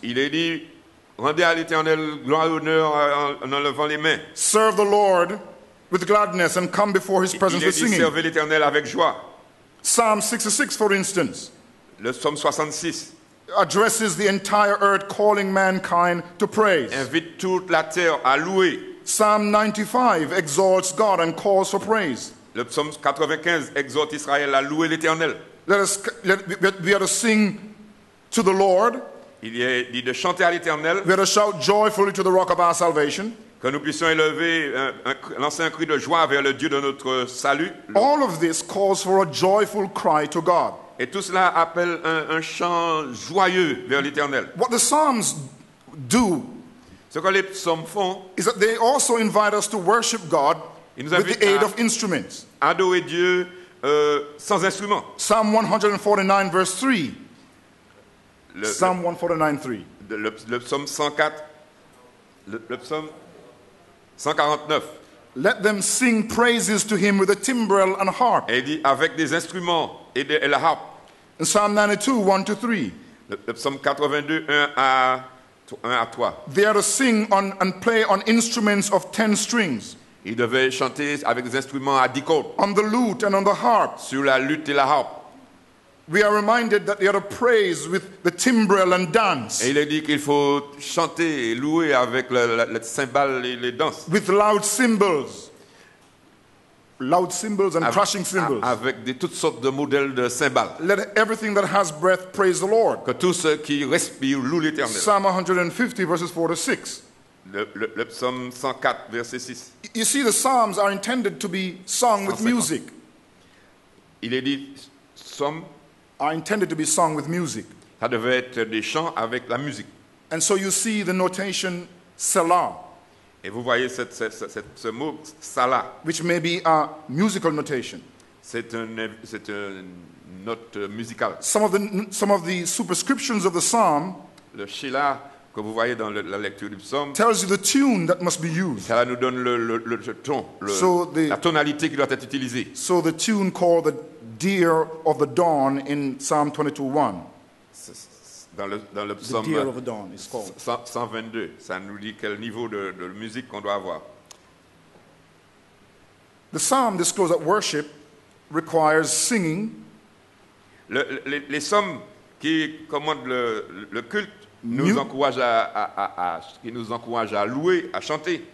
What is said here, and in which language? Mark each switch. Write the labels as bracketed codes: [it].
[fr] Il est dit, rendez à l'Éternel gloire et honneur en levant les mains. [en] Serve the Lord with gladness and come before his presence with singing. [fr] Il est dit, servez l'Éternel avec joie. [en] Psalm 66, for instance. [fr] Le psaume 66. [en] Addresses the entire earth, calling mankind to praise. [fr] Invite toute la terre à louer. [en] Psalm 95 exalts God and calls for praise. [fr] Le psaume 95 exhorte Israël à louer l'Éternel. [en] We are to sing to the Lord. [fr] Il y a dit de chanter à l'Éternel. [en] We are to shout joyfully to the rock of our salvation. [fr] Que nous puissions élever, lancer un cri de joie vers le Dieu de notre salut. [en] All of this calls for a joyful cry to God. [fr] Et tout cela appelle un chant joyeux vers l'Éternel. [en] What the psalms do, [fr] ce que les psaumes font, [en] is that they also invite us to worship God. [fr] Il nous [en] with the aid of instruments. [fr] Adorer Dieu sans instrument. [en] Psalm 149, verse 3. Psalm 149, [fr] 3. Le psaume 104. Le psaume 149. [en] Let them sing praises to him with a timbrel and harp. [fr] Et dit avec des instruments et la harpe. [en] And Psalm 92, 1 to 3. [fr] Le psaume 82, 1 à 3. [en] They are to sing and play on instruments of 10 strings. [fr] Il devait chanter avec des instruments à 10 cordes. [en] On the lute and on the harp. [fr] Sur la lute et la harpe. [en] We are reminded that they are to praise with the timbrel and dance. [fr] Et il est dit qu'il faut chanter et louer avec les cymbales et les danses. [en] With loud cymbals. Loud cymbals and crashing cymbals. [fr] Avec toutes sortes de modèles de cymbales. [en] Let everything that has breath praise the Lord. [fr] Que tous ceux qui respirent louent l'Éternel. [en] Psalm 150 verses 4 to 6. [fr] Le psaume 104, verset 6. [en] You see, the psalms are intended to be sung with music. [fr] Il est dit, psaumes [en] are intended to be sung with music. [fr] Ça devait être des chants avec la musique. [en] And so you see the notation selah. [fr] Et vous voyez ce mot selah. [en] Which may be a musical notation. [fr] C'est une note musicale. [en] Some of the superscriptions of the psalm. [fr] Le shelah. que vous voyez dans la lecture du psaume, [en] tells you the tune that must be used. [fr] Cela nous donne le ton, la tonalité qui doit être utilisée. [en] So the tune called the Deer of the Dawn in Psalm 22:1. [fr] Dans le psaume, [en] the Deer of the Dawn is called. 122. [fr] Ça nous dit quel niveau de musique qu'on doit avoir. [en] The psalm disclosed that worship requires singing. [fr] Les psaumes qui commandent le culte nous encouragent à louer, à chanter.